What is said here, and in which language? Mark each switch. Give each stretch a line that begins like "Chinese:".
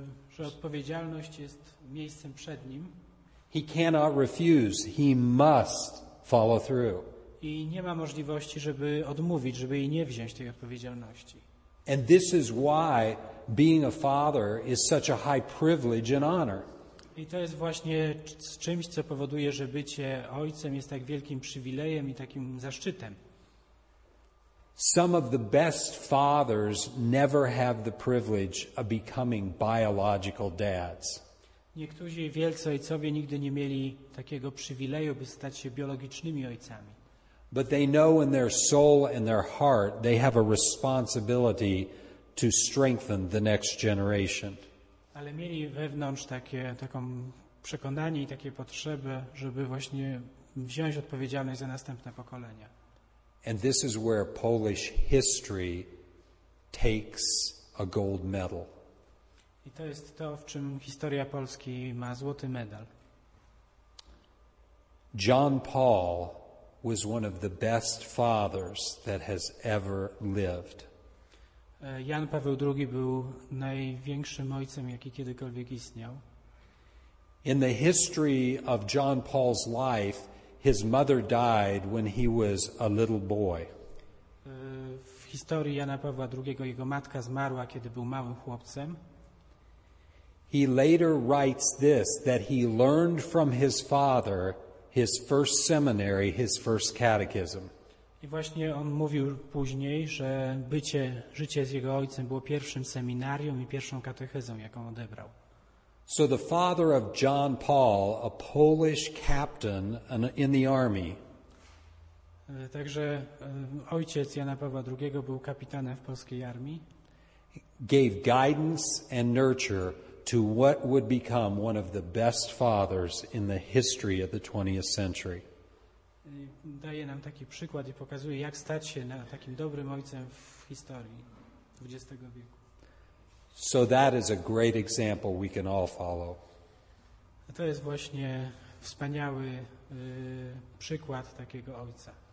Polish: że odpowiedzialność jest miejscem przed nim,
English: he cannot refuse. He must follow through.
Polish: I nie ma możliwości, żeby odmówić, żeby jej nie wziąć tej odpowiedzialności.
English: And this is why being a father is such a high privilege and honor.
Polish: I to jest właśnie czymś, co powoduje, że bycie ojcem jest tak wielkim przywilejem i takim zaszczytem.
English: Some of the best fathers never have the privilege of becoming biological dads.
Polish: Niektórzy wielcy ojcowie nigdy nie mieli takiego przywileju, by stać się biologicznymi ojcami.
English: But they know in their soul and their heart they have a responsibility to strengthen the next generation.
Polish: Ale mieli wewnątrz taką przekonanie i takie potrzeby, żeby właśnie wziąć odpowiedzialność za następne pokolenia.
English: And this is where Polish history takes a gold medal.
Polish: I to jest to, w czym historia Polski ma złoty medal.
English: John Paul was one of the best fathers that has ever lived.
Polish: Jan Paweł II był największym ojcem, jaki kiedykolwiek istniał.
English: In the history of John Paul's life, his mother died when he was a little boy.
Polish: W historii Jana Pawła II jego matka zmarła, kiedy był małym chłopcem.
English: He later writes this, that he learned from his father his first seminary, his first catechism.
Polish: I właśnie on mówił później, że życie z jego ojcem było pierwszym seminarium i pierwszą katechezą, jaką odebrał.
English: So the father of John Paul, a Polish captain in the army.
Polish: Także ojciec Jana Pawła II był kapitanem w polskiej armii.
English: Gave guidance and nurture to what would become one of the best fathers in the history of the 20th century.
Polish: Daje nam taki przykład i pokazuje, jak stać się na takim dobrym ojcem w historii XX wieku.
English: So that is a great example we can all follow.
Polish: To jest właśnie wspaniały przykład takiego ojca.